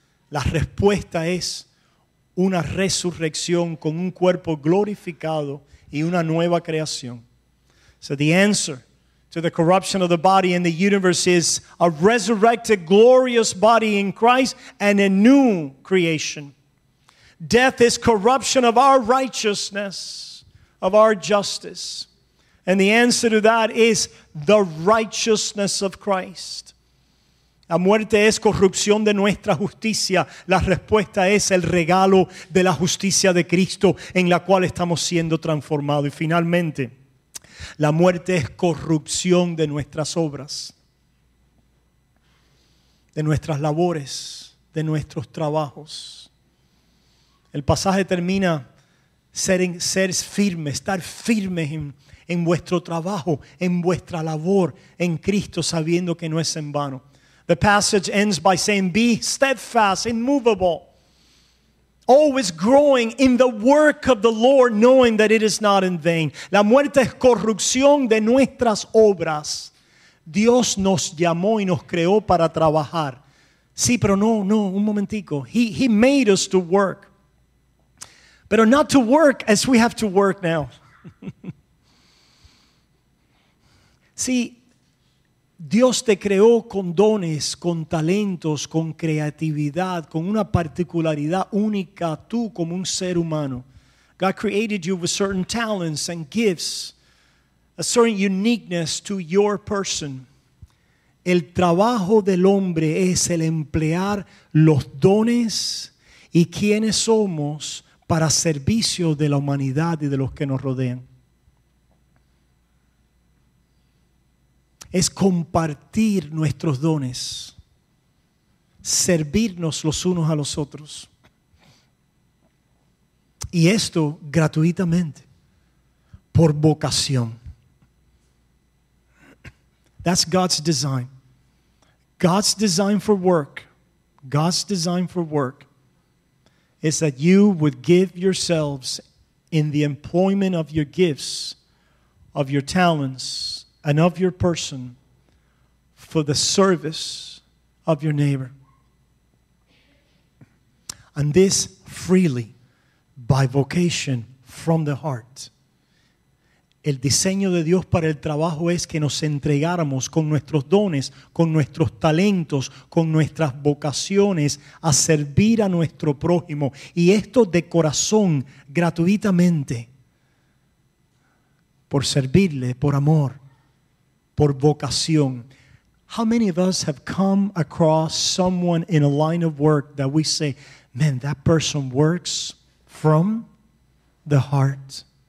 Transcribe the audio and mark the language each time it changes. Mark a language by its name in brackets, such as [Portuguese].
[Spanish] La respuesta es una resurrección con un cuerpo glorificado y una nueva creación. [English] So the answer to the corruption of the body in the universe is a resurrected glorious body in Christ and a new creation. Death is corruption of our righteousness, of our justice. And the answer to that is the righteousness of Christ. [Spanish] La muerte es corrupción de nuestra justicia. La respuesta es el regalo de la justicia de Cristo en la cual estamos siendo transformados. Y finalmente, la muerte es corrupción de nuestras obras, de nuestras labores, de nuestros trabajos. El pasaje termina ser firme, estar firme en vuestro trabajo, en vuestra labor, en Cristo, sabiendo que no es en vano. [English] The passage ends by saying, be steadfast, immovable, always growing in the work of the Lord, knowing that it is not in vain. [Spanish] La muerte es corrupción de nuestras obras. Dios nos llamó y nos creó para trabajar. Sí, pero no, un momentico. [English] He made us to work. [Spanish] Pero [English] not to work as we have to work now. [Spanish] Sí. Dios te creó con dones, con talentos, con creatividad, con una particularidad única tú como un ser humano. [English] God created you with certain talents and gifts, a certain uniqueness to your person. [Spanish] El trabajo del hombre es el emplear los dones y quiénes somos para servicio de la humanidad y de los que nos rodean. Es compartir nuestros dones, servirnos los unos a los otros. Y esto gratuitamente, por vocación. [English] That's God's design. God's design for work, God's design for work is that you would give yourselves in the employment of your gifts, of your talents, and of your person for the service of your neighbor. And this freely, by vocation, from the heart. [Spanish] El diseño de Dios para el trabajo es que nos entregáramos con nuestros dones, con nuestros talentos, con nuestras vocaciones a servir a nuestro prójimo. Y esto de corazón, gratuitamente, por servirle, por amor, por vocación. [English] How many of us have come across someone in a line of work that we say, man, that person works from the heart?